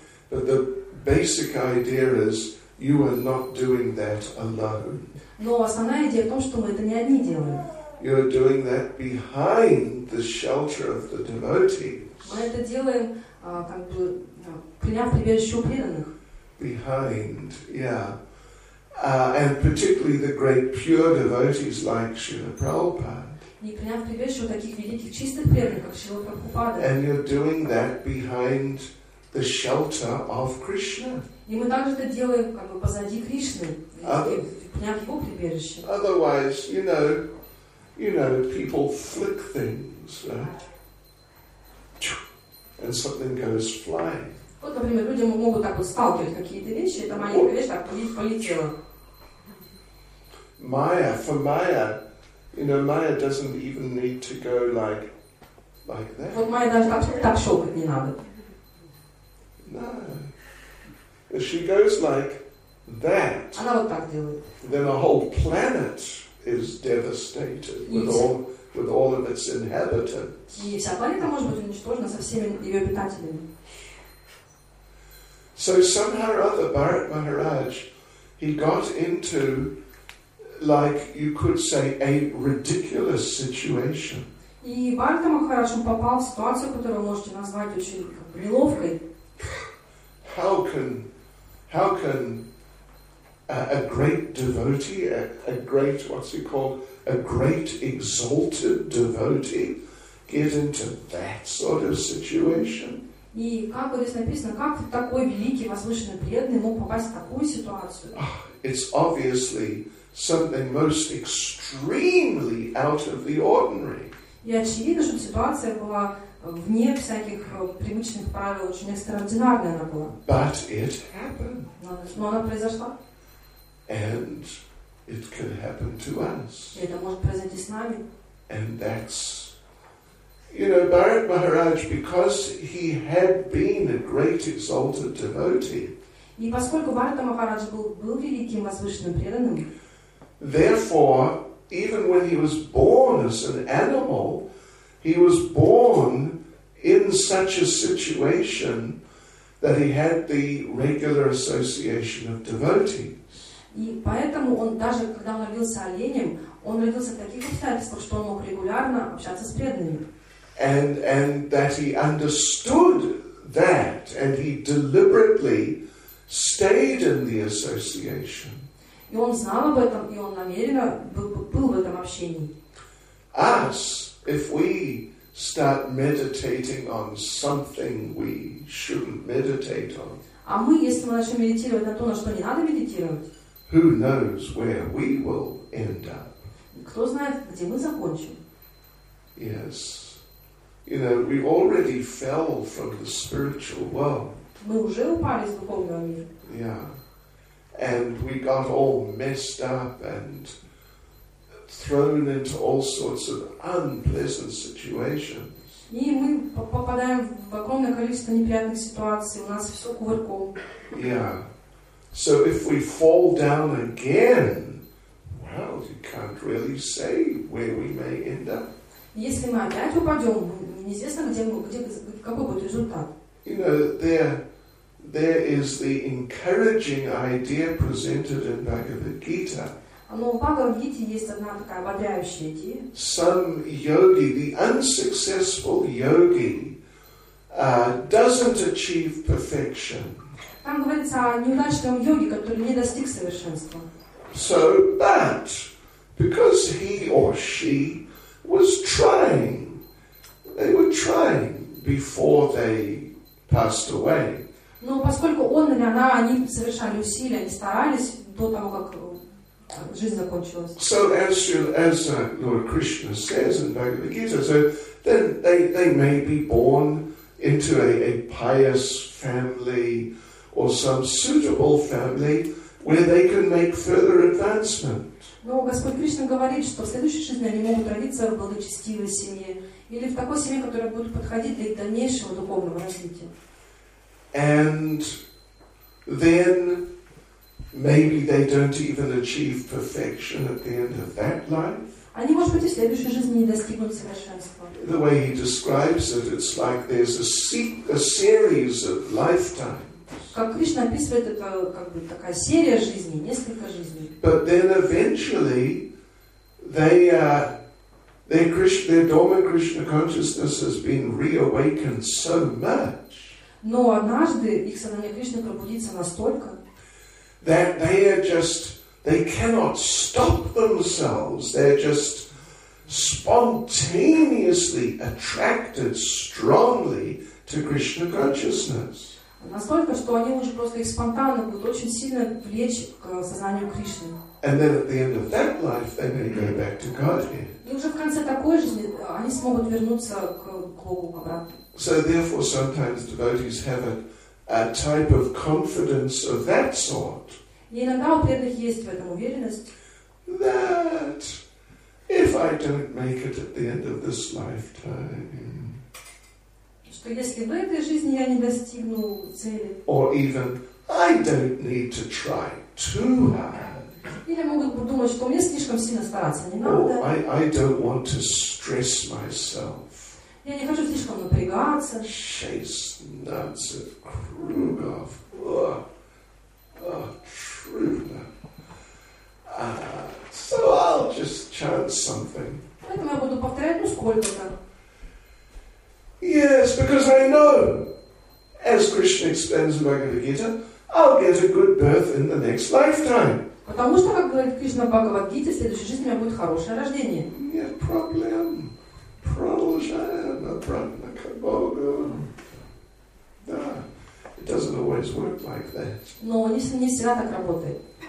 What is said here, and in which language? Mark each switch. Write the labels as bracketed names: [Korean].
[English] But the basic idea is, you are not doing that alone. [Russian] Но основная идея в том, что мы это не одни делаем. [English] You're doing that behind the shelter of the devotees. [Russian] Мы это делаем, как бы, приняв прибежище у преданных. [English] Behind, yeah. And particularly the great pure devotees like Srila Prabhupada. [Russian] Не приняв прибежище у таких великих чистых преданных, как Шрила Прабхупада. [English] And you're doing that behind the shelter of Krishna. [Russian] И мы также это делаем, как бы, позади Кришны. [English] Otherwise, you know, people flick things, right? And something goes flying. [Russian] Вот, например, люди могут так вот сталкивать какие-то вещи, это маленькая вещь, так полетела. [English] Maya, you know, Maya doesn't even need to go like that. [Russian] Вот Maya даже так шелкать не надо. [English] No. If she goes like that, [Russian] она вот так делает. [English] Then a whole planet is devastated with all with all of its inhabitants. [Russian] И вся планета может быть уничтожена со всеми ее обитателями. [English] So somehow or other, Bharat Maharaj, he got into, like you could say, a ridiculous situation. [Russian] И Бхарата Махарадж попал в ситуацию, которую вы можете назвать очень неловкой. [English] How can a great devotee, a great exalted devotee, get into that sort of situation? [Russian] И как здесь написано, как такой великий, возвышенный, преданный мог попасть в такую ситуацию? [English] It's obviously something most extremely out of the ordinary. [Russian] И очевидно, что ситуация была вне всяких привычных правил, очень экстраординарная она была. [English] But it happened. [Russian] Но она произошла. [English] And it can happen to us. [Russian] И это может произойти с нами. [English] And that's, you know, Bharat Maharaj, because he had been a great exalted devotee. [Russian] И поскольку Бхарата Махарадж был великим возвышенным преданным. [English] Therefore, even when he was born as an animal, he was born in such a situation that he had the regular association of devotees. [Russian] И поэтому он даже когда он родился оленем, он родился в таких обстоятельствах, что он мог регулярно общаться с преданными. [English] And that he understood that, and he deliberately stayed in the association. [Russian] И он знал об этом, и он намеренно был в этом общении. [English] Us, if we start meditating on something we shouldn't meditate on. [Russian] А мы, если мы начнем медитировать на то, на что не надо медитировать. [English] Who knows where we will end up? [Russian] Кто знает, где мы закончим? [English] Yes. You know, we already fell from the spiritual world. [Russian] Мы уже упали из духовного мира. [English] Yeah. And we got all messed up and thrown into all sorts of unpleasant situations. [Russian] И мы попадаем в огромное количество неприятных ситуаций. У нас все кувырком. [English] Yeah. So if we fall down again, well, you can't really say where we may end up. [Russian] Если мы опять упадем, неизвестно, где какой будет результат. [English] You know, there is the encouraging idea presented in Bhagavad Gita. [Russian] Но в Бхагавад Гите есть одна такая ободряющая идея. [English] Some yogi, the unsuccessful yogi, doesn't achieve perfection. [Russian] Там говорится о неудачном йоге, который не достиг совершенства. [English] So, but because he or she was trying. They were trying before they passed away. [Russian] Но поскольку он или она, они совершали усилия, они старались до того, как жизнь закончилась. [English] So as Lord Krishna says in Bhagavad Gita, so then they may be born into a pious family or some suitable family where they can make further advancement. [Russian] Но Господь Кришна говорит, что в следующей жизни они могут родиться в благочестивой семье или в такой семье, которая будет подходить для их дальнейшего духовного развития. [English] And then maybe they don't even achieve perfection at the end of that life. [Russian] Они, может быть, в следующей жизни не достигнут совершенства. [English] The way he describes it, it's like there's a series of lifetimes. [Russian] Как Кришна описывает, это как бы такая серия жизней, несколько жизней. [English] But then eventually their dormant Krishna consciousness has been reawakened so much. [Russian] Но однажды их сознание Кришны пробудится настолько, [English] that they cannot stop themselves. They're just spontaneously attracted strongly to Krishna consciousness. [Russian] Настолько, что они уже просто их спонтанно будут очень сильно влечь к сознанию Кришны. [English] And then at the end of that life, they may go back to Godhead. [Russian] И уже в конце такой жизни они смогут вернуться к Богу обратно. [English] So therefore, sometimes devotees have a type of confidence of that sort. [Russian] И иногда у преданных есть в этом уверенность. [English] That if I don't make it at the end of this lifetime. [Russian] Если в этой жизни я не достигну цели. [English] Or even, I don't need to try too hard. [Russian] Или могут думать, что мне слишком сильно стараться не надо. [English] I don't want to stress myself. [Russian] Я не хочу слишком напрягаться. Chase nuts of Krugov. [English] Truly. So I'll just chant something. [Russian] Поэтому я буду повторять, ну сколько-то. [English] Yes, because I know, as Krishna explains in Bhagavad Gita, I'll get a good birth in the next lifetime. [Russian] Потому что, как говорит Кришна в Бхагавад Гите, в следующей жизни у меня будет хорошее рождение. Нет проблем. Продолжаем обратно к Богу. Да. [English] It doesn't always work like that. [Russian] Но не всегда так работает.